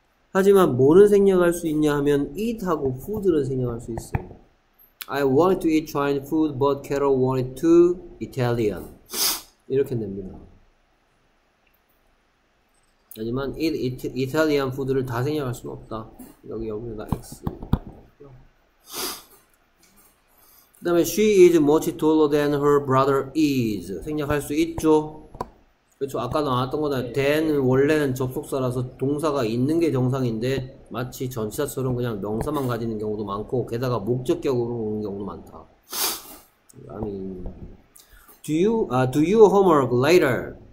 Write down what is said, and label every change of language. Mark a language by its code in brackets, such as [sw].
[ko] 하지만 뭐는 생략할 수 있냐 하면 eat하고 food는 생략할 수 있어요. [en] I wanted to eat Chinese food but Carol wanted to Italian. [ko] 이렇게 됩니다. 하지만 이탈리안 푸드를 다 생략할 수는 없다. 여기다 X. 그 다음에 [en] she is much taller than her brother is. [ko] 생략할 수 있죠. 그렇죠. 아까 나왔던 거다. 네. than은 원래는 접속사라서 동사가 있는 게 정상인데 마치 전치사처럼 그냥 명사만 가지는 경우도 많고 게다가 목적격으로 오는 경우도 많다. [en] I mean, do you homework later?